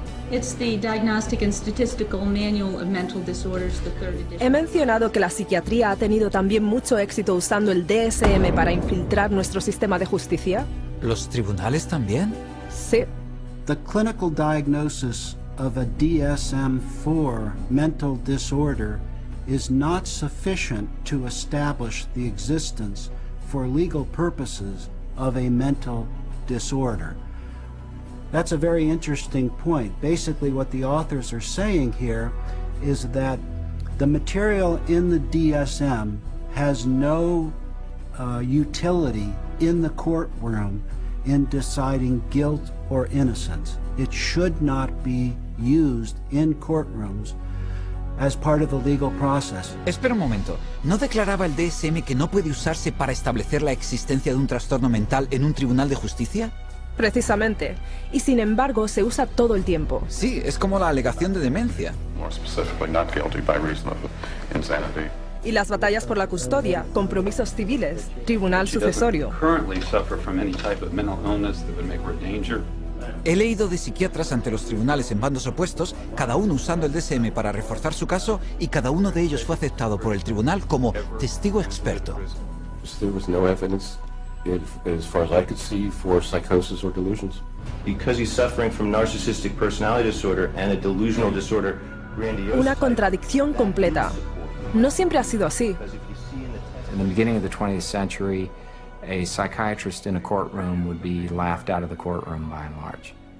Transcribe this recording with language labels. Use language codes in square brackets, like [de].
[en] It's the Diagnostic and Statistical Manual of Mental Disorders, the third edition. [es] He mencionado que la psiquiatría ha tenido también mucho éxito usando el DSM para infiltrar nuestro sistema de justicia. ¿Los tribunales también? Sí. [en] The clinical diagnosis of a DSM-4 mental disorder is not sufficient to establish the existence for legal purposes of a mental disorder. That's a very interesting point. Basically, what the authors are saying here is that the material in the DSM has no utility in the courtroom in deciding guilt or innocence. It should not be used in courtrooms as part of the legal process. [es] Espera un momento. ¿No declaraba el DSM que no puede usarse para establecer la existencia de un trastorno mental en un tribunal de justicia? Precisamente. Y sin embargo, se usa todo el tiempo. Sí, es como la alegación de demencia. [en] More specifically, not guilty by reason of insanity. [es] Y las batallas por la custodia, compromisos civiles, tribunal sucesorio. He leído de psiquiatras ante los tribunales en bandos opuestos, cada uno usando el DSM para reforzar su caso, y cada uno de ellos fue aceptado por el tribunal como testigo experto. [en] As far as I could see, for psychosis or delusions. Because he's suffering from narcissistic personality disorder and a delusional disorder, grandiose. [es] Una contradicción completa. No siempre ha sido así. [en] In the beginning of the 20th century, a psychiatrist in a courtroom would be laughed out of the courtroom by and large.